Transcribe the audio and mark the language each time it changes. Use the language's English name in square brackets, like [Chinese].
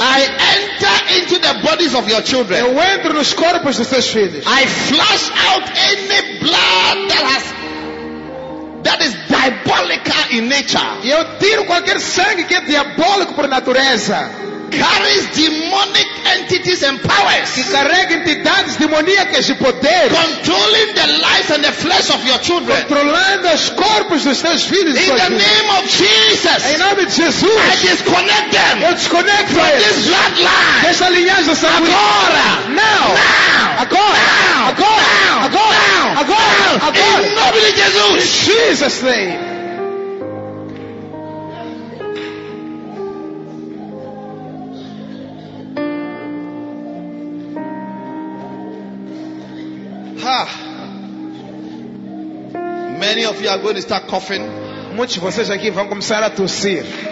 [English] I enter into the bodies of your children. [Portuguese] Eu entro nos corpos dos seus filhos. [English] I flush out any blood that is diabolical in nature. [Portuguese] E eu tiro qualquer sangue que é diabólico por natureza. [English] Carries demonic entities and powers. [Portuguese] Que carrega entidades demoníacas e poderes. [English] Controlling the life and the flesh of your children. [Portuguese] Controlando os corpos dos seus filhos. [English] In the name of Jesus. [Portuguese] Em nome de Jesus. [English] I disconnect them. [Portuguese] Eu desconecto [English] from this bloodline. [Portuguese] Dessa linhagem agora. [English] Now. Now. [Portuguese] Agora. [English] Now. [Portuguese] Agora. [English] Now. [Portuguese] Agora. [English] Now. [Portuguese] Agora. [English] Now. [Portuguese] Agora. [English] Now. [Portuguese] Agora. [English] In the name of Jesus. In Jesus name. Many of you are going to start coughing. [Portuguese] Muitos de vocês aqui vão começar a tossir.